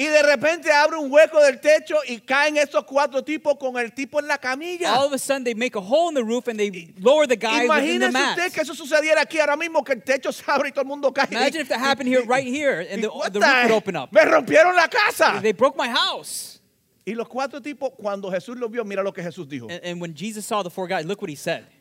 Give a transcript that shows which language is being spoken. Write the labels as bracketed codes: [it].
[es] Y de repente abre un hueco del techo y caen esos cuatro tipos con el tipo en la camilla. [en] All of a sudden they make a hole in the roof and they lower the guy [es] imagínese [en] within the mat. [es] Imagínese usted que eso sucediera aquí ahora mismo, que el techo se abre y todo el mundo cae. [en] Imagine if that happened here, right here, and the roof would open up. [es] Me rompieron la casa. [en] They broke my house. [es] Y los cuatro tipos, cuando Jesús los vio, mira lo que Jesús dijo. [en] And when Jesus saw the four guys, look what he said.